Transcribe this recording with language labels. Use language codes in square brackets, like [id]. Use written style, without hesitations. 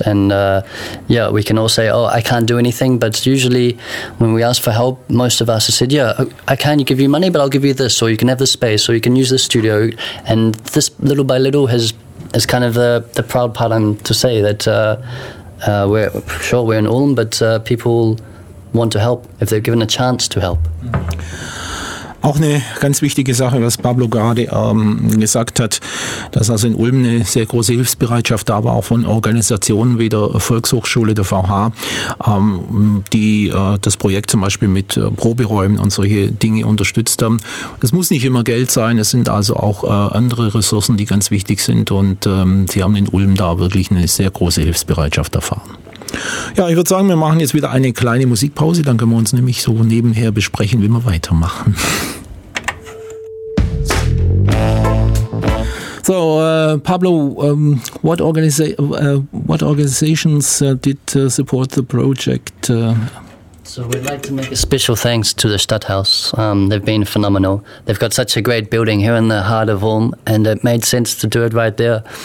[en] And, yeah, we can all say, oh, I can't do anything. But usually when we ask for help, most of us have said, yeah, I can give you money, but I'll give you this. Or you can have the space. Or you can use the studio. And this little by little has... It's kind of the proud part I'm to say that we're in Ulm, but people want to help if they're given a chance to help. [de] Auch eine ganz wichtige Sache, was Pablo gerade gesagt hat, dass also in Ulm eine sehr große Hilfsbereitschaft da war, auch von Organisationen wie der Volkshochschule, der VH, die das Projekt zum Beispiel mit Proberäumen und solche Dinge unterstützt haben. Es muss nicht immer Geld sein, es sind also auch andere Ressourcen, die ganz wichtig sind, und sie haben in Ulm da wirklich eine sehr große Hilfsbereitschaft erfahren. Ja, ich würde sagen, wir machen jetzt wieder eine kleine Musikpause, dann können wir uns nämlich so nebenher besprechen, wie wir weitermachen. [en] So, Pablo, what organizations did support the project? So we'd like to make a special thanks to the Stadthaus. They've been phenomenal. They've got such a great building here in the heart of Ulm, and it made sense to do it right there.